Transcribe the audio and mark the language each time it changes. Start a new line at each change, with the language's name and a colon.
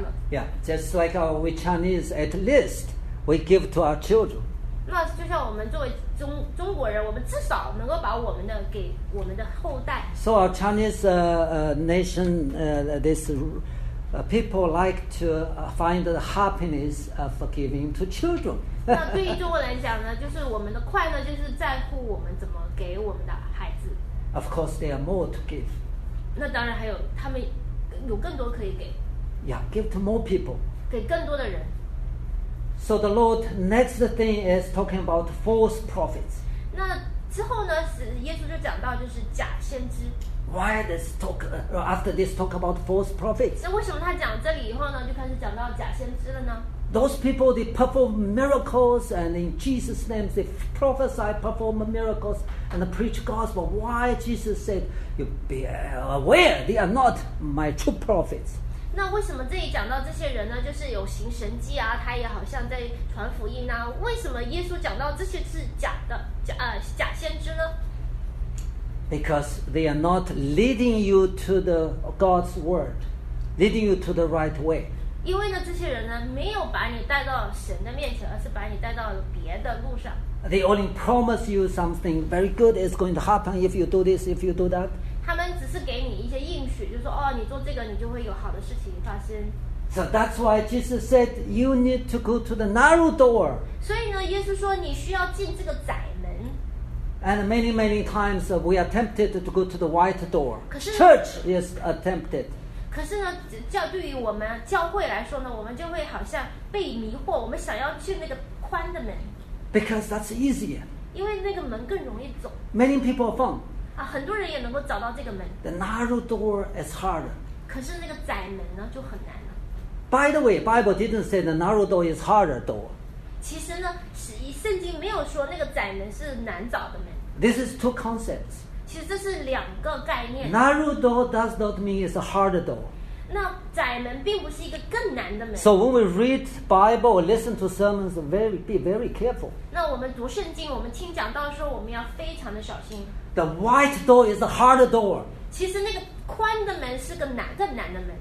English: Yeah, just like our, we Chinese, at least we give to our children.
Chinese: 那就像我们作为 中国人，我们至少能够把我们的给我们的后代。
English: So our Chinese nation, this people like to find the happiness of giving to children.
Chinese: 那对于中国人讲呢，就是我们的快乐就是在乎我们怎么给我们的孩子。
English: Of course, there are more to give.
Chinese: 那当然还有，他们有更多可以给。
English: Yeah, give to more people.
Chinese: 给更多的人。
English: So the Lord, next thing is talking about false prophets.
Chinese: 那之后呢，是耶稣就讲到就是假先知。
English: Why this talk, after this talk about false prophets?
Chinese: 那为什么他讲这里以后呢，就开始讲到假先知了呢？
English: Those people, they perform miracles, and in Jesus' name, they prophesy, perform miracles, and preach gospel. Why Jesus said, you be aware, they are not my true prophets.
Chinese: 那为什么这里讲到这些人呢？就是有行神迹啊，他也好像在传福音啊。为什么耶稣讲到这些是假的，假先知呢？
English: Because they are not leading you to the God's word, leading you to the right way.
Chinese: 因为呢，这些人呢，没有把你带到神的面前，而是把你带到了别的路上。
English: They only promise you something very good is going to happen if you do this, if you do that.
Chinese: 他们只是给你一些应许，就是、说哦，你做这个，你就会有好的事情发生。
English: So that's why Jesus said you need to go to the narrow door.
Chinese: 所以呢，耶稣说你需要进这个窄门。
English: And many many times we are tempted to go to the wide door.
Chinese: 可是
English: church is tempted.
Chinese: 可是呢，教对于我们教会来说呢，我们就会好像被迷惑，我们想要去那个宽的门。
English: Because that's easier.
Chinese: 因为那个门更容易走。
English: Many people are found.
Chinese: 啊、很多人也能够找到这个门。
English: The narrow door is harder.
Chinese: 可是那个窄门呢就很难了。
English: By the way, Bible didn't say the narrow door is harder door.
Chinese: 其实呢，是圣经没有说那个窄门是难找的门。
English: This is two concepts.
Chinese: 其实这是两个概念。
English: Narrow door does not mean it's a harder door.
Chinese: 那窄门并不是一个更难的门。
English: So when we read Bible, listen to sermons, very be very careful.
Chinese: 那我们读圣经，我们听讲到的时候，我们要非常的小心。
English: The wide door is a hard door.
Chinese: 其实那个宽的门是个难更难的门。